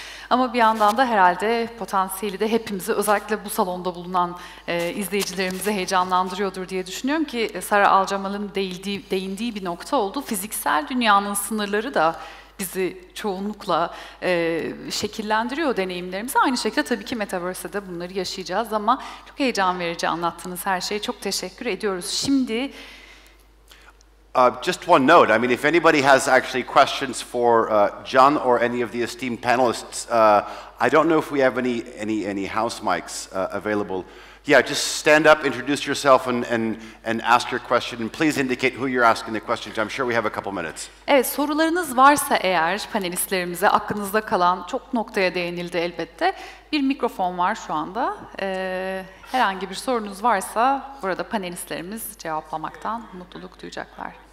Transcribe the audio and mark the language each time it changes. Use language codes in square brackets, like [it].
[tr] Ama bir yandan da herhalde potansiyeli de hepimizi, özellikle bu salonda bulunan izleyicilerimizi heyecanlandırıyordur diye düşünüyorum ki Sara Alcamal'ın değindiği bir nokta oldu. Fiziksel dünyanın sınırları da bizi çoğunlukla şekillendiriyor deneyimlerimizi. Aynı şekilde tabii ki Metaverse'de bunları yaşayacağız ama çok heyecan verici anlattığınız her şeye çok teşekkür ediyoruz. Şimdi [en] Just one note, I mean, if anybody has actually questions for John or any of the esteemed panelists, I don't know if we have any house mics available. Yeah, just stand up, introduce yourself and ask your question, and please indicate who you're asking the question. I'm sure we have a couple minutes. [tr] Evet, sorularınız varsa eğer panelistlerimize, aklınızda kalan çok noktaya değinildi elbette. Bir mikrofon var şu anda. Herhangi bir sorunuz varsa burada panelistlerimiz cevaplamaktan mutluluk duyacaklar.